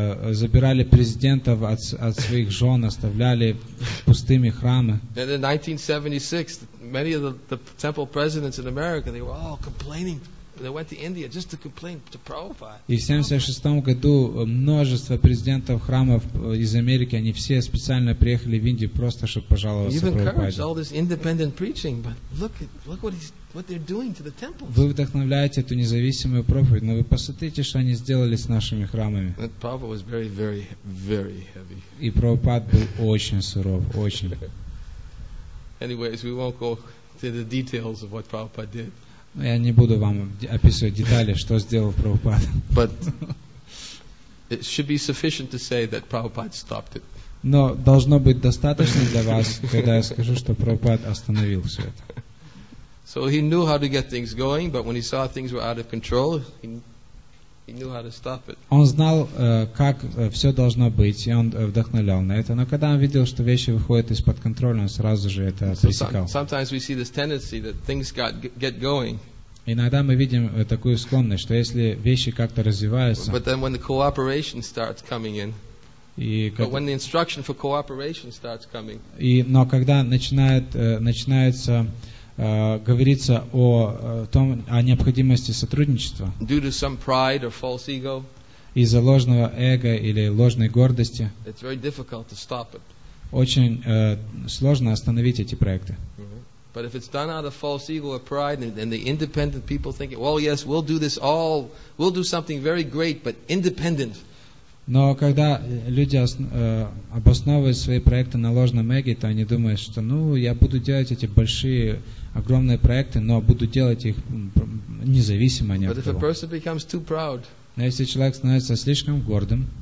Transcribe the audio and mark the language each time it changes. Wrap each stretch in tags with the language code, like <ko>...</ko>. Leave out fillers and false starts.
<ru>Забирали президентов от своих жен, оставляли пустыми храмы.</ru> <en>And in 1976, many of the temple presidents in America, they were all complaining. They went to India just to complain to Prabhupada.</en> <ru>И в 76-м году множество президентов храмов из Америки, они все специально приехали в Индию просто чтобы пожаловаться Прабхупаде.</ru> <en>You've encouraged all this independent preaching, but look what he's. What they're doing to the temples.</en> <ru>Вы вдохновляете эту независимую проповедь, но вы посмотрите, что они сделали с нашими храмами.</ru> <en>And Prabhupada was very, very, very heavy.</en> <ru>И Прабхупад был очень суров, очень.</ru> <en>Anyways, we won't go to the details of what Prabhupada did.</en> <ru>Но я не буду вам описывать детали, что сделал Прабхупад.</ru> <en>But it should be sufficient to say that Prabhupada stopped it.</en> <ru>Но должно быть достаточно для вас, когда я скажу, что Прабхупад остановил все это.</ru> <en>So he knew how to get things going, but when he saw things were out of control, he knew how to stop it.</en> <ru>Он знал, как все должно быть, и он вдохновлял на это. Но когда он видел, что вещи выходят из-под контроля, он сразу же это пресекал.</ru> <en>Sometimes we see this tendency that things get going.</en> <ru>Иногда мы видим такую склонность, что если вещи как-то развиваются.</ru> <en>But then when the cooperation starts coming in. But when the instruction for cooperation starts coming.</en> <ru>И но когда начинается говорится о необходимости сотрудничества</ru> <en>due to some pride or false ego,</en> <ru>из-за ложного эго или ложной гордости</ru> <en>it's very difficult to stop it.</en> <ru>Очень сложно остановить эти проекты.</ru> <en>But if it's done out of false ego or pride and the independent people thinking, well, yes, we'll do this all, we'll do something very great, but independent.</en> <ru>Но когда люди обосновывают свои проекты на ложном эго, то они думают, что ну я буду делать эти большие, огромные проекты, но буду делать их независимо ни от кого. Но если человек становится слишком гордым,</ru>